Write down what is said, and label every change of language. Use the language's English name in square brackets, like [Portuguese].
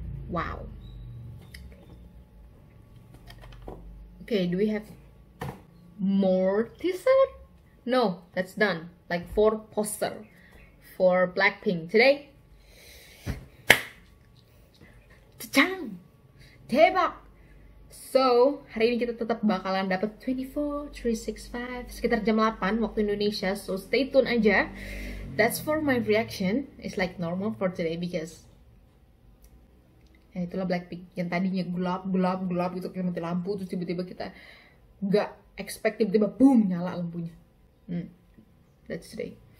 [English] Wow. Okay, do we have more teaser? No, that's done. Like 4 poster for Blackpink today. [Indonesian] Cacang, tebak. So hari ini kita tetap bakalan dapat 24/365 sekitar jam 8 waktu Indonesia. [English] So stay tune [Indonesian] aja. [English] That's for my reaction. It's like normal for today because. [Indonesian] Ya itulah Blackpink yang tadinya gelap gelap gelap gitu, kita mati lampu terus tiba-tiba kita nggak expect tiba-tiba boom nyala lampunya. [English] That's today.